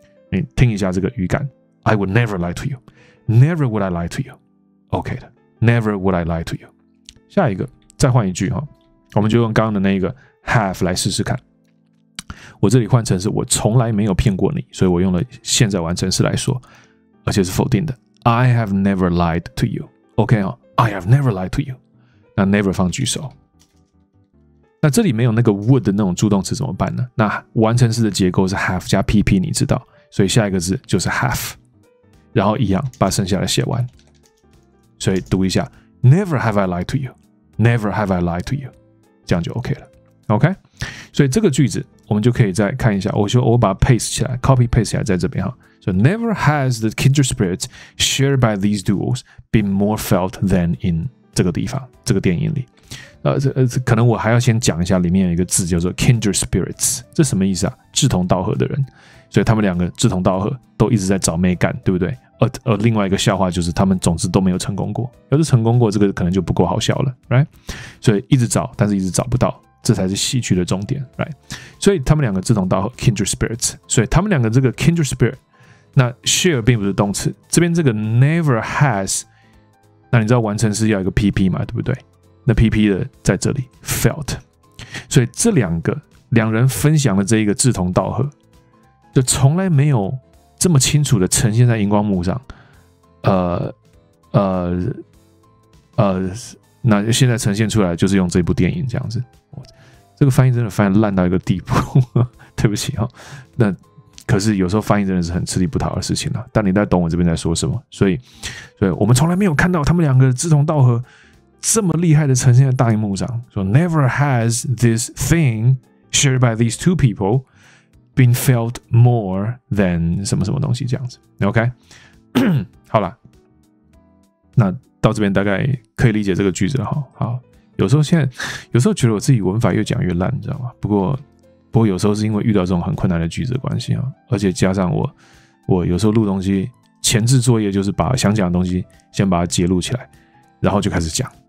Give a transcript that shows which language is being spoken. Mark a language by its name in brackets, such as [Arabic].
[Chinese] 你听一下这个语感 [English] ，I would never lie to you，never would I lie to you，OK 的 ，never would I lie to you。 [Chinese] 下一个，再换一句哈，我们就用刚刚的那个 have 来试试看。我这里换成是我从来没有骗过你，所以我用了现在完成式来说，而且是否定的。 [English] I have never lied to you. OK 哦 ，I have never lied to you. [Chinese] 那 never 放句首。那这里没有那个 would 的那种助动词怎么办呢？那完成式的结构是 have 加 PP， 你知道，所以下一个字就是 have， 然后一样把剩下的写完。所以读一下 [English] ，Never have I lied to you. Never have I lied to you. [Chinese] 这样就 OK 了。 OK， 所以这个句子。我们就可以再看一下，我把它 paste 起来 ，copy paste 起来在这边哈。 [English] So never has the kindred spirits shared by these duos been more felt than in [Chinese] 这个地方，这个电影里。可能我还要先讲一下里面有一个字叫做 kindred spirits， 这什么意思啊？志同道合的人，所以他们两个志同道合，都一直在找妹干，对不对？而另外一个笑话就是他们总之都没有成功过，要是成功过，这个可能就不够好笑了 ，right？ 所以一直找，但是一直找不到。这才是戏剧的终点、right? 所以他们两个志同道合 Kindred Spirits， 所以他们两个这个 Kindred Spirit， 那 Share 并不是动词，这边这个 Never Has， 那你知道完成是要一个 PP 嘛，对不对？那 PP 的在这里 Felt， 所以这两个两人分享的这一个志同道合就从来没有这么清楚的呈现在荧光幕上。那现在呈现出来就是用这部电影这样子。这个翻译真的翻烂到一个地步，对不起哈、哦。那可是有时候翻译真的是很吃力不讨的事情了、啊。但你在懂我这边在说什么，所以我们从来没有看到他们两个志同道合这么厉害的呈现在大荧幕上。 [English] So never has this thing shared by these two people been felt more than [Chinese] 什么什么东西这样子。 OK， 好了，那到这边大概可以理解这个句子了哈。好。有时候觉得我自己文法越讲越烂，你知道吗？不过有时候是因为遇到这种很困难的句子的关系、啊、而且加上我有时候录东西，前置作业就是把想讲的东西先把它截录起来，然后就开始讲。